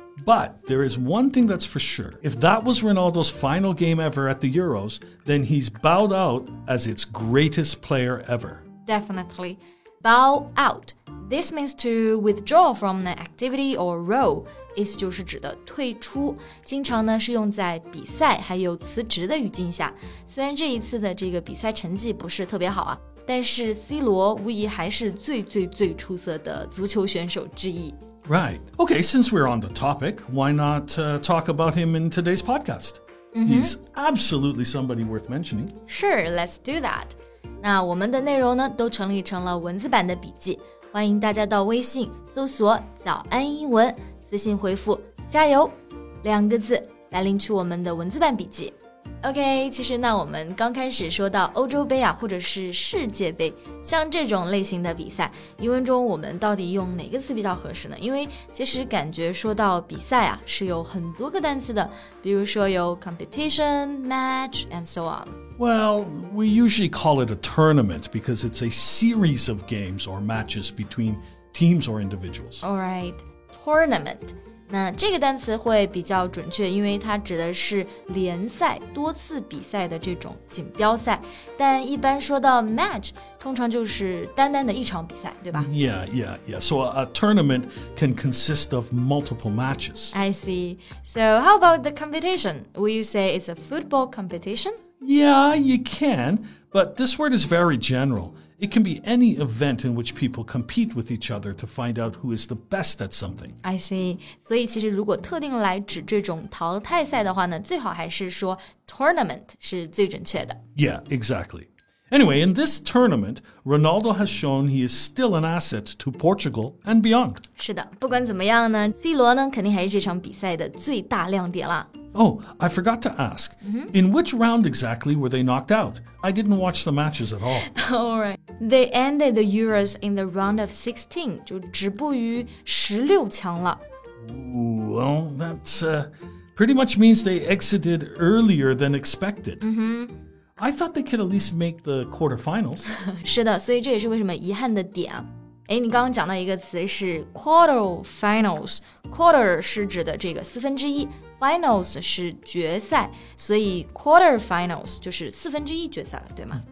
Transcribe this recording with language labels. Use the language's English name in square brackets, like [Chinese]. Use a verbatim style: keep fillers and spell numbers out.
[English] But there is one thing that's for sure. If that was Ronaldo's final game ever at the Euros, then he's bowed out as its greatest player ever. Definitely. Bow out. This means to withdraw from an activity or role. [Chinese] 意思就是指的退出，经常呢是用在比赛还有辞职的语境下。虽然这一次的这个比赛成绩不是特别好啊，但是 C 罗无疑还是最最最出色的足球选手之一。 [English] Right. Okay, since we're on the topic, why not uh, talk about him in today's podcast? Mm-hmm. He's absolutely somebody worth mentioning. Sure, let's do that. [Chinese] 那我们的内容呢都整理成了文字版的笔记，欢迎大家到微信搜索早安英文，私信回复加油两个字来领取我们的文字版笔记。 OK, 其实那我们刚开始说到欧洲杯啊，或者是世界杯，像这种类型的比赛，英文中我们到底用哪个词比较合适呢？因为其实感觉说到比赛啊，是有很多个单词的，比如说有 [English] competition, match, and so on. Well, we usually call it a tournament because it's a series of games or matches between teams or individuals. All right, tournament. [Chinese] 那这个单词会比较准确，因为它指的是联赛多次比赛的这种锦标赛。但一般说到 match， 通常就是单单的一场比赛，对吧？ [English] Yeah, yeah, yeah. So a tournament can consist of multiple matches. I see. So how about the competition? Will you say it's a football competition? Yeah, you can. But this word is very general. It can be any event in which people compete with each other to find out who is the best at something. I see. [Chinese] 所以其实如果特定来指这种淘汰赛的话呢，最好还是说 tournament 是最准确的。 [English] Yeah, exactly. Anyway, in this tournament, Ronaldo has shown he is still an asset to Portugal and beyond. [Chinese] 是的，不管怎么样呢 ，C 罗呢肯定还是这场比赛的最大亮点啦。 [English] Oh, I forgot to ask, mm-hmm. in which round exactly were they knocked out? I didn't watch the matches at all. All right. They ended the Euros in the round of sixteen, [Chinese] 就止步于十六强了。 [English] Ooh, well, that's, uh, pretty much means they exited earlier than expected. Mm-hmm. I thought they could at least make the quarterfinals. [Chinese] 是的，所以这也是为什么遗憾的点。诶，你刚刚讲到一个词是 quarter finals， quarter 是指的这个四分之一， finals 是决赛，所以 quarter finals 就是四分之一决赛了，对吗？